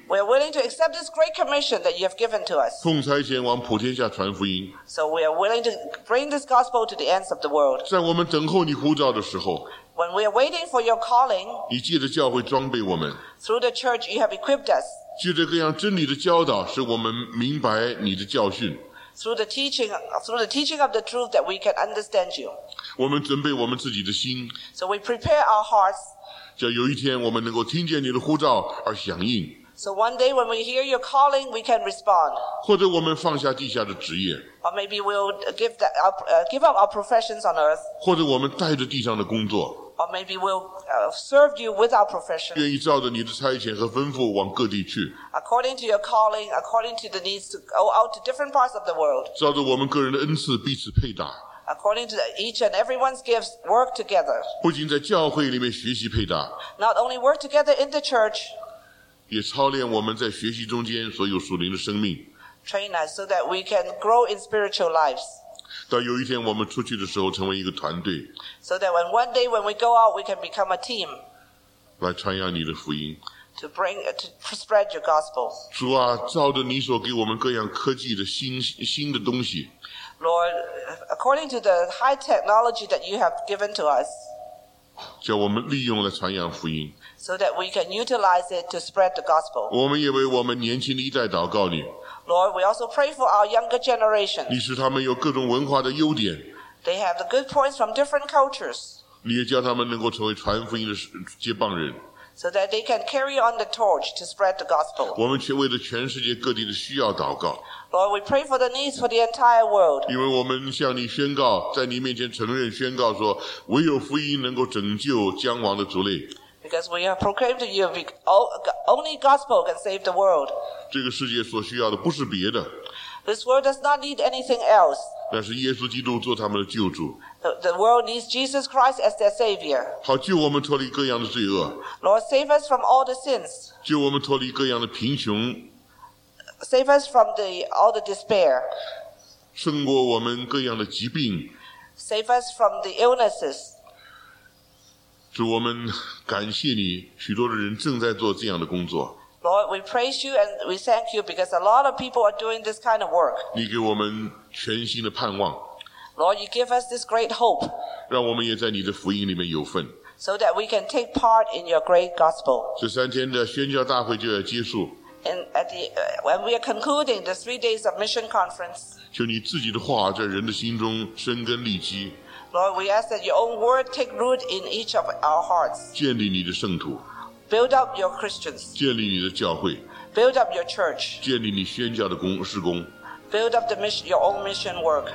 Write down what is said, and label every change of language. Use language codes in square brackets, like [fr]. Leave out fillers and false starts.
[en] We are willing to accept this great commission that you have given to us. [zh] 奉差遣往普天下传福音。 [en] So we are willing to bring this gospel to the ends of the world. [zh] 在我们等候你呼召的时候。 [en] When we are waiting for your calling, [zh] 你借着教会装备我们。 [en] Through the church, you have equipped us. [zh] 借着各样真理的教导，使我们明白你的教训。 [en] Through the teaching of the truth that we can understand you. [zh] 我们准备我们自己的心。 [en] So we prepare our hearts. [zh] 叫有一天我们能够听见你的呼召而响应。 [en] So one day when we hear your calling, we can respond. [zh] 或者我们放下地下的职业。 [en] Or maybe we'll give up our professions on earth. [zh] 或者我们带着地上的工作。 [en] Or maybe we'll serve you with our profession. [zh] 愿意照着你的差遣和吩咐往各地去。 [en] According to your calling, according to the needs to go out to different parts of the world. [zh] 照着我们个人的恩赐彼此配搭。 [en] According to each and everyone's gifts, work together. [zh] 不仅在教会里面学习配搭。 [en] Not only work together in the church. [zh] 也操练我们在学习中间所有属灵的生命。 [en] Train us so that we can grow in spiritual lives. [zh] 到有一天我们出去的时候成为一个团队。 [en] So that when one day when we go out, we can become a team. [zh] 来传扬你的福音。 [en] To spread your gospel. [zh] 主啊，照着你所给我们各样科技的新的东西。 [en] Lord, according to the high technology that you have given to us. [zh] 叫我们利用来传扬福音。 [en] So that we can utilize it to spread the gospel. [zh] 我们也为我们年轻的一代祷告你。 [en] Lord, we also pray for our younger generation. [zh] 你使他们有各种文化的优点。 [en] They have the good points from different cultures. [zh] 你也叫他们能够成为传福音的接棒人。 [en] So that they can carry on the torch to spread the gospel. [zh] 我们却为了全世界各地的需要祷告。 [en] Lord, we pray for the needs for the entire world. [zh] 因为我们向你宣告，在你面前承认宣告说，唯有福音能够拯救将亡的族类。 [en] Because we have proclaimed to you, only gospel can save the world. [zh] 这个世界所需要的不是别的。 [en] This world does not need anything else. [zh] 那是耶稣基督做他们的救主。 [en] The world needs Jesus Christ as their savior. [zh] 好，救我们脱离各样的罪恶。 [en] Lord, save us from all the sins. [zh] 救我们脱离各样的贫穷。 [en] Save us from all the despair. [zh] 胜过我们各样的疾病。 [en] Save us from the illnesses. [zh] 主，我们感谢你，许多的人正在做这样的工作。 [en] Lord, we praise you and we thank you because a lot of people are doing this kind of work. [zh] 你给我们全新的盼望。 [en] Lord, you give us this great hope. [zh] 让我们也在你的福音里面有份。 [en] So that we can take part in your great gospel. [zh] 这三天的宣教大会就要结束。 [en] And when we are concluding the 3 days of mission conference. [zh] 求你自己的话在人的心中生根立基。 [en] Lord, we ask that your own word take root in each of our hearts. [zh] 建立你的圣徒。 [en] Build up your Christians. [zh] 建立你的教会。 [en] Build up your church. [zh] 建立你宣教的工事工。 [en] Build up the mission, your own mission work.